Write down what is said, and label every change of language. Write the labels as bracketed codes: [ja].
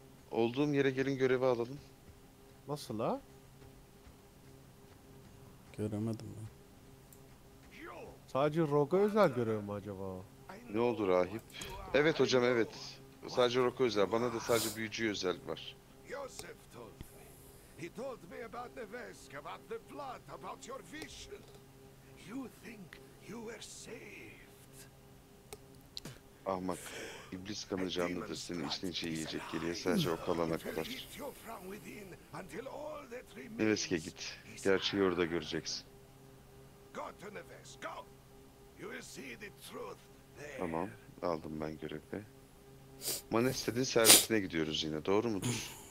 [tr] Olduğum yere gelin, görevi alalım. Nasıl ha? Göremedim ben. Sadece Rogue'a özel görev mi acaba? Ne oldu rahip? Evet hocam, evet. Sadece Rogue'a özel. Bana da sadece büyücüye özel var. [en] Joseph told me. He told me about the Vesk, about the flood, about your vision. You think you were saved. [tr] Ahmak. İblis kanı canlıdır, senin içten içe yiyecek, geriye sadece o kalana kadar. Neveske git, gerçeği orada göreceksin. Tamam, aldım ben görevi. Manestet'in servisine gidiyoruz yine, doğru mudur?